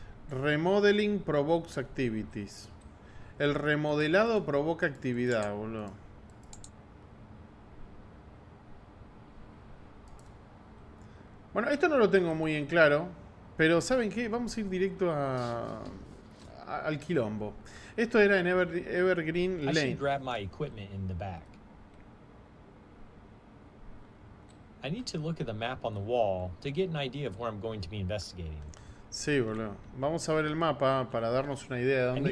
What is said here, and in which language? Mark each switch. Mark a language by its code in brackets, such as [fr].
[en] Remodeling provokes activities. [es] El remodelado provoca actividad, boludo. Bueno, esto no lo tengo muy en claro, pero ¿saben qué? Vamos a ir directo al quilombo. Esto era en Evergreen Lane. [en] I should grab my equipment in the back. I need to look at the map on the wall to get an idea of where I'm going to be investigating. [es] Sí, boludo. Vamos a ver el mapa para darnos una idea de dónde...